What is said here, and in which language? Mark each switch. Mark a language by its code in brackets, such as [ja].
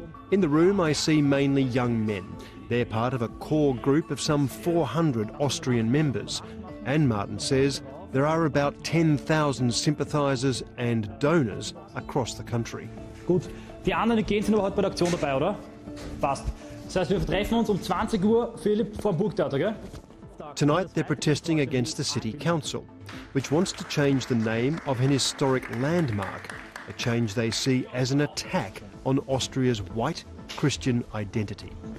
[en] In the room I see mainly young men. They're part of a core group of some 400 Austrian members. And Martin says there are about 10,000 sympathizers and donors across the country. [de] Gut. Die anderen gehen sind aber heute bei der Aktion dabei, oder? Passt. Das heißt, wir treffen uns um 20 Uhr, Philipp, vor dem Burgtheater, gell? [en] Tonight they're protesting against the city council, which wants to change the name of an historic landmark, a change they see as an attack on Austria's white Christian identity.